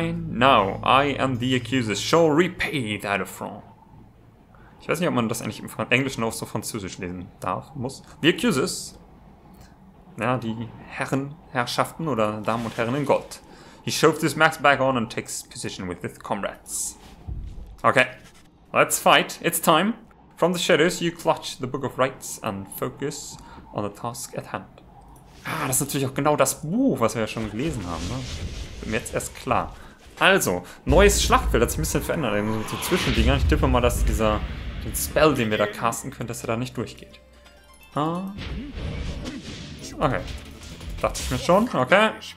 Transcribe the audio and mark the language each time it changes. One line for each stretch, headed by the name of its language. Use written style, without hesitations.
English: Now I am the accuser, shall repay that affront.
German: Ich weiß nicht, ob man das eigentlich im Englischen auch so französisch lesen darf, muss.
English: The accusers.
German: Ja, die Herren, Herrschaften oder Damen und Herren in Gold.
English: He shoves his mask back on and takes position with his comrades. Okay. Let's fight. It's time. From the shadows you clutch the Book of Rites and focus on the task at hand.
German: Ah, das ist natürlich auch genau das Buch, was wir ja schon gelesen haben, ne? Jetzt erst klar. Also, neues Schlachtfeld hat sich ein bisschen verändert. So Zwischendinger. Ich tippe mal, dass den Spell, den wir da casten können, dass er da nicht durchgeht. Ah. Okay. Dachte ich mir schon. Okay.